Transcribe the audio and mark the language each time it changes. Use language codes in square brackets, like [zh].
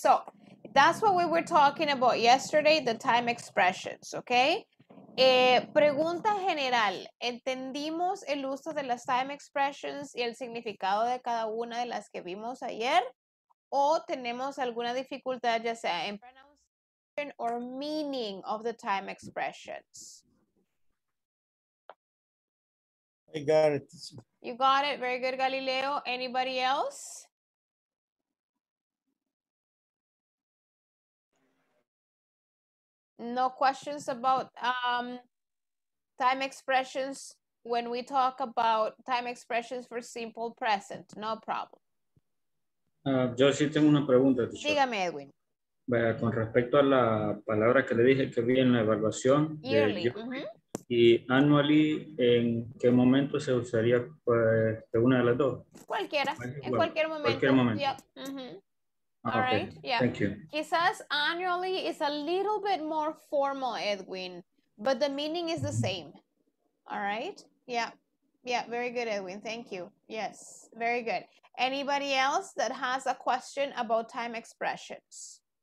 [en] So that's what we were talking about yesterday, the time expressions, okay? [es] Pregunta general. ¿Entendimos el uso de las time expressions y el significado de cada una de las que vimos ayer? ¿O tenemos alguna dificultad ya sea en [en] pronunciation or meaning of the time expressions? I got it. You got it. Very good, Galileo. Anybody else? No questions about time expressions when we talk about time expressions for simple present. No problem. [es] Yo sí tengo una pregunta. Dígame, Edwin. Bueno, con respecto a la palabra que le dije que vi en la evaluación. [en] Yearly. [es] Y annually, ¿en qué momento se usaría pues, de una de las dos? Cualquiera. Bueno, en cualquier momento. Cualquier momento. [en] Yep. Mm-hmm. All okay. Right, yeah. Thank you. [es] Quizás [en] annually is a little bit more formal, Edwin, but the meaning is the same. All right, yeah. Yeah, very good, Edwin. Thank you. Yes, very good. Anybody else that has a question about time expressions?